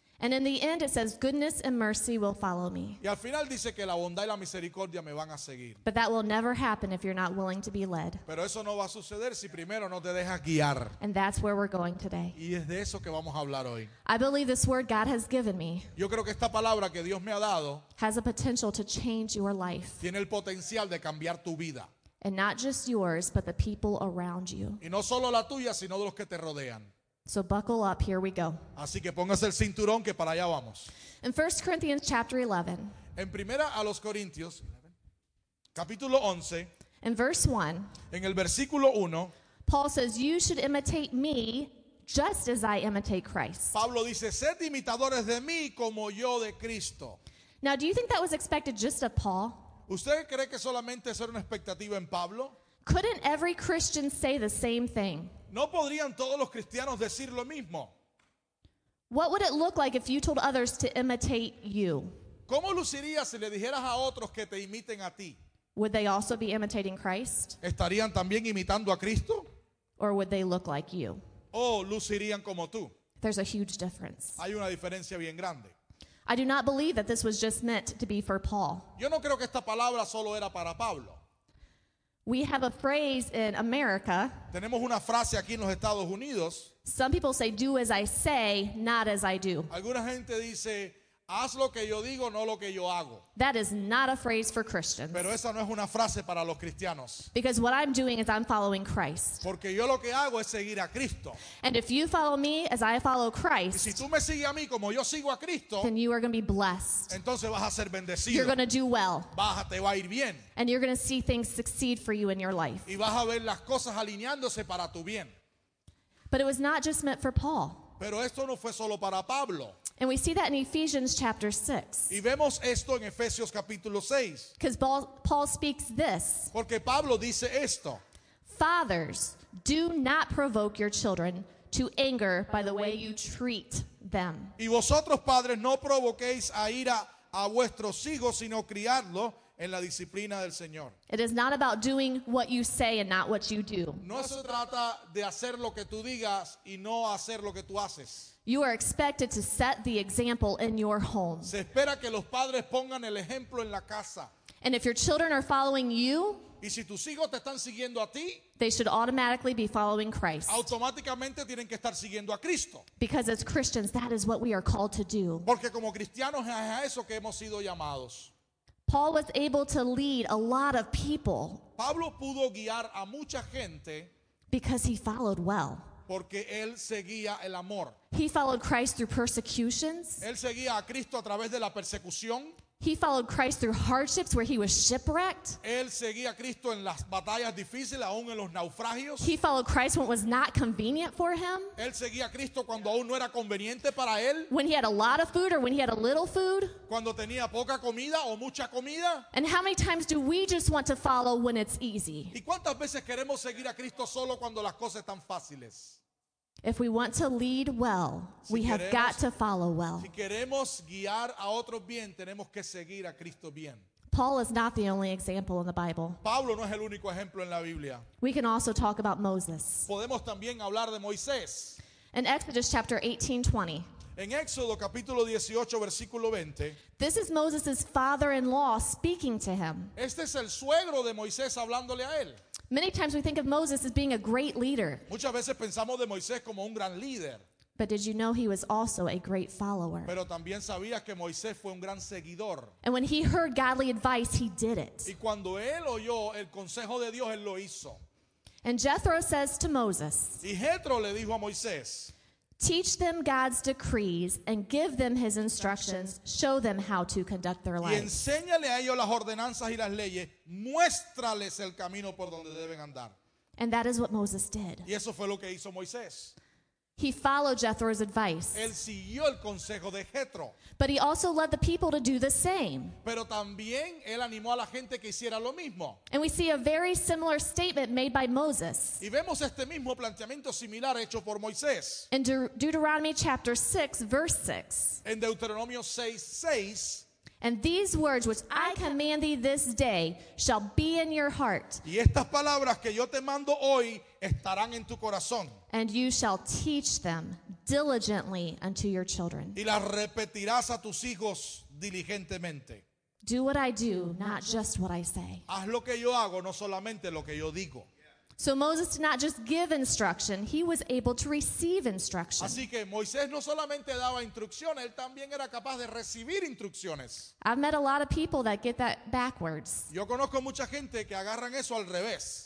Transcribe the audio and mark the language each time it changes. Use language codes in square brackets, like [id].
[en] And in the end it says goodness and mercy will follow me. [es] Y al final dice que la bondad y la misericordia me van a seguir. [en] But that will never happen if you're not willing to be led. [es] Pero eso no va a suceder si primero no te dejas guiar. [en] And that's where we're going today. [es] Y es de eso que vamos a hablar hoy. [en] I believe this word God has given me. [es] Yo creo que esta palabra que Dios me ha dado. [en] Has a potential to change your life. [es] Tiene el potencial de cambiar tu vida. [en] And not just yours, but the people around you. [es] Y no solo la tuya, sino de los que te rodean. [en] So buckle up, here we go. [es] Así que póngase el cinturón, que para allá vamos. [en] In 1 Corinthians chapter 11. [es] En primera a los Corintios, capítulo 11. [en] In verse 1. [es] En el versículo 1. [en] Paul says, you should imitate me just as I imitate Christ. [es] Pablo dice, sed imitadores de mí como yo de Cristo. [en] Now, do you think that was expected just of Paul? [es] ¿Usted cree que solamente eso era una expectativa en Pablo? [en] Couldn't every Christian say the same thing? [es] ¿No podrían todos los cristianos decir lo mismo? [en] What would it look like if you told others to imitate you? [es] ¿Cómo luciría si le dijeras a otros que te imiten a ti? [en] Would they also be imitating Christ? [es] ¿Estarían también imitando a Cristo? [en] Or would they look like you? [es] ¿O lucirían como tú? [en] There's a huge difference. [es] Hay una diferencia bien grande. [en] I do not believe that this was just meant to be for Paul. [es] Yo no creo que esta palabra solo era para Pablo. [en] We have a phrase in America. [es] Tenemos una frase aquí en los Estados Unidos. [en] Some people say, "Do as I say, not as I do." [es] Alguna gente dice, "Haz lo que yo digo, no lo que yo hago." [en] That is not a phrase for Christians. [es] Pero esa no es una frase para los cristianos. [en] Because what I'm doing is I'm following Christ. [es] Porque yo lo que hago es seguir a Cristo. [en] And if you follow me as I follow Christ, [es] y si tú me sigues a mí como yo sigo a Cristo, [en] then you are going to be blessed. [es] Entonces vas a ser bendecido. [en] You're going to do well. [es] Vas a, te va a ir bien. [en] And you're going to see things succeed for you in your life. [es] Y vas a ver las cosas alineándose para tu bien. [en] But it was not just meant for Paul. [es] Pero esto no fue solo para Pablo. [en] And we see that in Ephesians chapter 6. [es] Y vemos esto en Efesios capítulo 6. [en] Because Paul speaks this. [es] Porque Pablo dice esto. [en] Fathers, do not provoke your children to anger by the way you treat them. [es] Y vosotros, padres, no provoquéis a ira a vuestros hijos, sino criadlo en la disciplina del Señor. [en] It is not about doing what you say and not what you do. [es] No se trata de hacer lo que tú digas y no hacer lo que tú haces. [en] You are expected to set the example in your home. [es] Se espera que los padres pongan el ejemplo en la casa. [en] And if your children are following you, [es] y si tus hijos te están siguiendo a ti, [en] they should automatically be following Christ. [es] Automáticamente tienen que estar siguiendo a Cristo. [en] Because as Christians, that is what we are called to do. [es] Porque como cristianos es a eso que hemos sido llamados. [en] Paul was able to lead a lot of people. [es] Pablo pudo guiar a mucha gente. [en] Because he followed well. [es] Porque él seguía el amor. [en] He followed Christ through persecutions. [es] Él seguía a Cristo a través de la persecución. [en] He followed Christ through hardships where he was shipwrecked. [es] Él seguía a Cristo en las batallas difíciles, aún en los naufragios. [en] He followed Christ when it was not convenient for him. [es] Él seguía a Cristo cuando aún no era conveniente para él. [en] When he had a lot of food or when he had a little food. [es] Cuando tenía poca comida o mucha comida. [en] And how many times do we just want to follow when it's easy? [es] ¿Y cuántas veces queremos seguir a Cristo solo cuando las cosas están fáciles? [en] If we want to lead well, we have got to follow well. [es] Si queremos guiar a otros bien, tenemos que seguir a Cristo bien. [en] Paul is not the only example in the Bible. [es] Pablo no es el único ejemplo en la Biblia. [en] We can also talk about Moses. [es] Podemos también hablar de Moisés. [en] In Exodus chapter 18:20. [es] En Éxodo capítulo 18 versículo 20. [en] This is Moses' father-in-law speaking to him. [es] Este es el suegro de Moisés hablándole a él. [en] Many times we think of Moses as being a great leader. [es] Muchas veces pensamos de Moisés como un gran líder. [en] But did you know he was also a great follower? [es] Pero también sabías que Moisés fue un gran seguidor. [en] And when he heard godly advice, he did it. [es] Y cuando él oyó el consejo de Dios, él lo hizo. [en] And Jethro says to Moses, [es] y Jethro le dijo a Moisés, [en] teach them God's decrees and give them his instructions. Show them how to conduct their lives. [es] Y enséñale a ellos las ordenanzas y las leyes. Muéstrales el camino por donde deben andar. [en] And that is what Moses did. [es] Y eso fue lo que hizo Moisés. [en] He followed Jethro's advice. [es] Él siguió el consejo de Jethro. [en] But he also led the people to do the same. [es] Pero también él animó a la gente que hiciera lo mismo. [en] And we see a very similar statement made by Moses. [es] Y vemos este mismo planteamiento similar hecho por Moisés. [en] In Deuteronomy chapter 6, verse 6. [es] En Deuteronomio 6, 6. [en] And these words which I command thee this day shall be in your heart. [es] Y estas palabras que yo te mando hoy estarán en tu corazón. [en] And you shall teach them diligently unto your children. [es] Y las repetirás a tus hijos diligentemente. [en] Do what I do, not just what I say. [es] Haz lo que yo hago, no solamente lo que yo digo. [en] So Moses did not just give instruction, he was able to receive instruction. [es] Así que Moisés no solamente daba instrucciones, él también era capaz de recibir instrucciones. [en] I've met a lot of people that get that backwards. [es] Yo conozco mucha gente que agarran eso al revés.